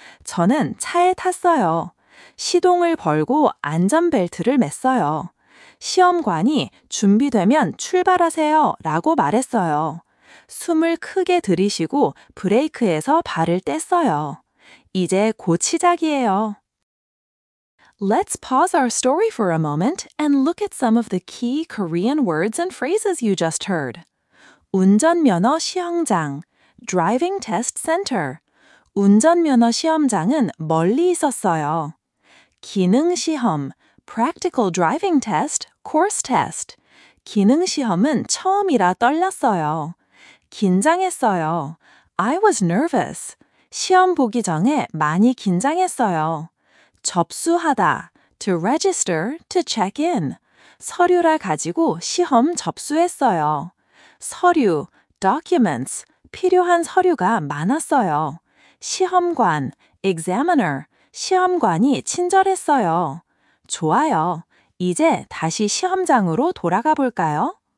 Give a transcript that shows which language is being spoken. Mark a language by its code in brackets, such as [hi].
[ko] 저는 차에 탔어요. 시동을 걸고 안전벨트를 맸어요. 시험관이 준비되면 출발하세요 라고 말했어요. 숨을 크게 들이쉬고 브레이크에서 발을 뗐어요. 이제 곧 시작이에요. [en] Let's pause our story for a moment and look at some of the key Korean words and phrases you just heard. [ko] 운전면허 시험장, [en] Driving Test Center. [ko] 운전면허 시험장은 멀리 있었어요. [en] 기능시험, Practical Driving Test, Course Test. [ko] 기능시험은 처음이라 떨렸어요. 긴장했어요. [en] I was nervous. [ko] 시험 보기 전에 많이 긴장했어요. [en] 접수하다, to register, to check in. [ko] 서류를 가지고 시험 접수했어요. 서류, documents, 필요한 서류가 많았어요. 시험관, examiner, 시험관이 친절했어요. 좋아요, 이제 다시 시험장으로 돌아가 볼까요?